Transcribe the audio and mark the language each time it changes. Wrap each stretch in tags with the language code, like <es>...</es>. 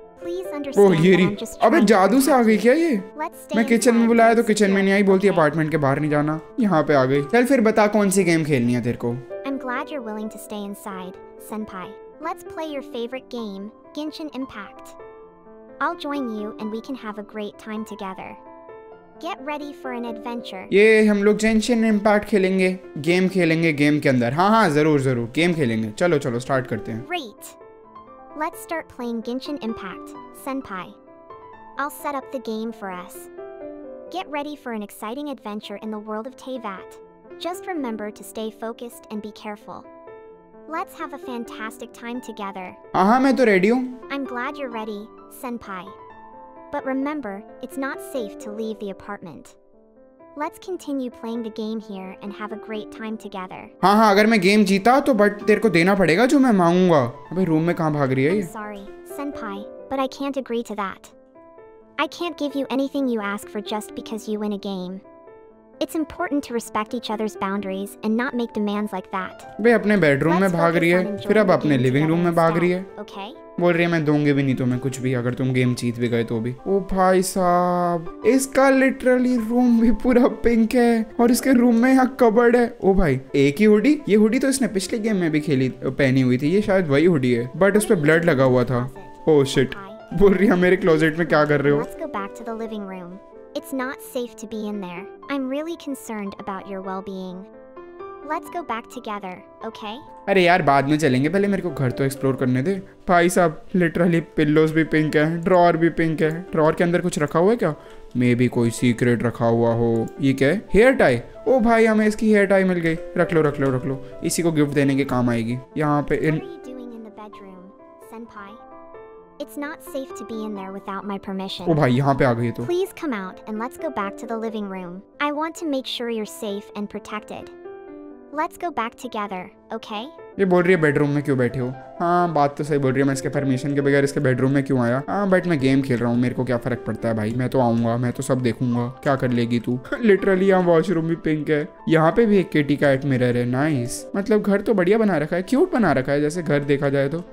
<hi>अबे जादू से आ गई क्या ये? मैं किचन में बुलाया तो किचन में नहीं आई, बोलती अपार्टमेंट के बाहर नहीं जाना, यहाँ पे आ गई। चल फिर बता कौन सी गेम खेलनी है तेरे को।</hi> <en>I'm glad you're willing to stay inside, senpai. Let's play your favorite game, Genshin Impact. I'll join you and we can have a great time together. Get ready for an adventure.</en> <hi>ये हम लोग Genshin Impact खेलेंगे, game खेलेंगे game के अंदर। हाँ हाँ जरूर जरूर गेम खेलेंगे, चलो चलो स्टार्ट करते हैं।</hi> <en>Great. Let's start playing Genshin Impact, senpai. I'll set up the game for us. Get ready for an exciting adventure in the world of Teyvat. Just remember to stay focused and be careful. Let's have a fantastic time together.</en> <hi>Aha, main to ready hu.</hi> <en>I'm glad you're ready, senpai. But remember, it's not safe to leave the apartment. Let's continue playing the game here and have a great time together.</en> <hi>हाँ हाँ, अगर मैं game जीता तो but तेरे को देना पड़ेगा जो मैं मांगूंगा। अबे रूम में कहाँ भाग रही है ये?</hi> <en>I'm sorry, senpai, but I can't agree to that. I can't give you anything you ask for just because you win a game. It's important to respect each other's boundaries and not make demands like that.</en> <hi>वे अपने bedroom में भाग रही है, फिर अब अपने living room में भाग रही है।</hi> <en>Okay?</en> <hi>बोल रही है मैं दूंगी भी नहीं तुम्हें कुछ भी अगर तुम गेम जीत भी गए तो भी। ओ भाई साहब, इसका लिटरली रूम भी पूरा पिंक है और इसके रूम में यहाँ कबर्ड है। ओ भाई, एक ही हुडी? ये हुडी तो इसने पिछले गेम में भी खेली पहनी हुई थी, ये शायद वही हुडी है, बट उस पर ब्लड लगा हुआ था। ओ शिट, बोल रही है मेरे क्लोजेट में क्या कर रहे हो? It's not safe to be in there. I'm really concerned about your well-being. Let's go back together, okay? अरे यार बाद में चलेंगे, पहले मेरे को घर तो एक्सप्लोर करने दे। भाई साहब, लिटरली पिल्लोस भी पिंक है, ड्रॉअर भी पिंक है। ड्रॉअर के अंदर कुछ रखा हुआ है क्या? मे बी कोई सीक्रेट रखा हुआ हो। ये क्या है? Hair tie. ओ भाई, हमें इसकी हेयर टाई मिल गई। रख लो रख लो रख लो, इसी को गिफ्ट देने के काम आएगी। यहाँ पे इन...</hi> <en>What are you doing in the bedroom, senpai? It's not safe to be in there without my permission.</en> <hi>ओ भाई, यहाँ पे आ गई है तो।</hi> <en>Please come out and let's go back to the living room. I want to make sure you're safe and protected. Let's go back together, okay?</en> <hi>ये बोल रही है बेडरूम में क्यों बैठे हो? हाँ बात तो सही बोल रही है, मैं इसके परमिशन के बगैर इसके बेडरूम में क्यों आया? हाँ बट मैं गेम खेल रहा हूँ, मेरे को क्या फर्क पड़ता है भाई, मैं तो आऊंगा, मैं तो सब देखूंगा। क्या कर लेगी तू? लिटरली यहाँ वॉशरूम भी पिंक है, यहाँ पे भी एक केटी का एक मिरर है। नाइस, मतलब घर तो बढ़िया बना रखा है, क्यूट बना रखा है जैसे घर देखा जाए तो।</hi>